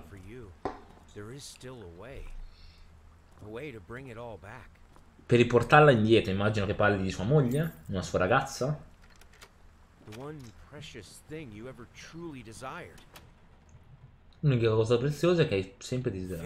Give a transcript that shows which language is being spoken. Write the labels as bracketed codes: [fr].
[en] But for you, there is still a way to bring it all back. [it] Riportarla indietro, immagino che parli di sua moglie, una sua ragazza. [en] The one precious thing you ever truly desired. [it] L'unica cosa preziosa è che hai sempre desiderato.